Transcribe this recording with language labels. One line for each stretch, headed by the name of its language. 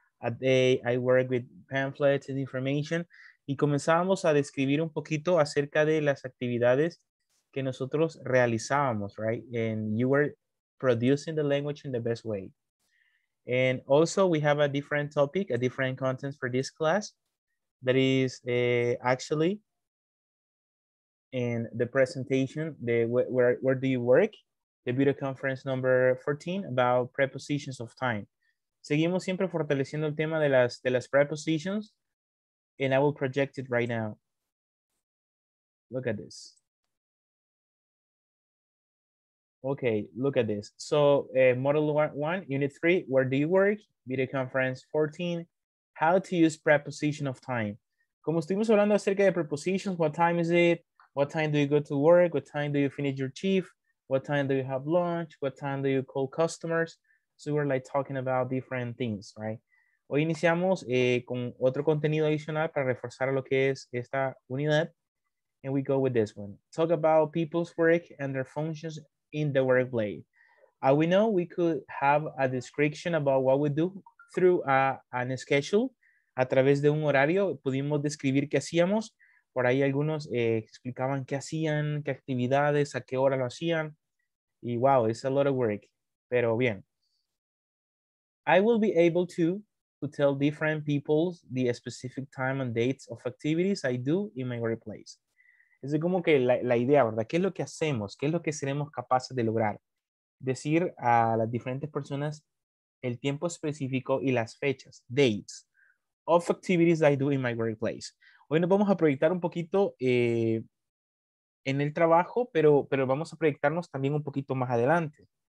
English: At day, I work with pamphlets and information.
Spanish: Y comenzábamos a describir un poquito acerca de las actividades que nosotros realizábamos,
English: right? And you were producing the language in the best way. And also we have a different topic, a different content for this class that is actually in the presentation, the where do you work? The video conference number 14 about prepositions of time.
Spanish: Seguimos siempre fortaleciendo el tema de las
English: prepositions, and I will project it right now. Look at this. Okay, look at this. So model one, unit three, where do you work? Video conference 14, how to use preposition of time.
Spanish: Como estuvimos hablando acerca de
English: prepositions, what time is it? What time do you go to work? What time do you finish your shift? What time do you have lunch? What time do you call customers? So we're like talking about different things, right?
Spanish: Hoy iniciamos con otro contenido adicional para reforzar lo que es esta unidad.
English: And we go with this one. Talk about people's work and their functions in the workplace. As we know, we could have a description about what we do through an schedule.
Spanish: A través de un horario, pudimos describir qué hacíamos. Por ahí algunos explicaban qué hacían, qué actividades, a qué hora lo hacían.
English: Y wow, it's a lot of work.
Spanish: Pero bien.
English: I will be able to tell different people the specific time and dates of activities I do in my workplace.
Spanish: Es como que la idea, ¿verdad? ¿Qué es lo que hacemos? ¿Qué es lo que seremos capaces de lograr? Decir a las diferentes personas el tiempo específico y las fechas,
English: dates of activities I do in my workplace.
Spanish: Hoy nos vamos a proyectar un poquito en el trabajo, pero vamos a proyectarnos también un poquito más adelante.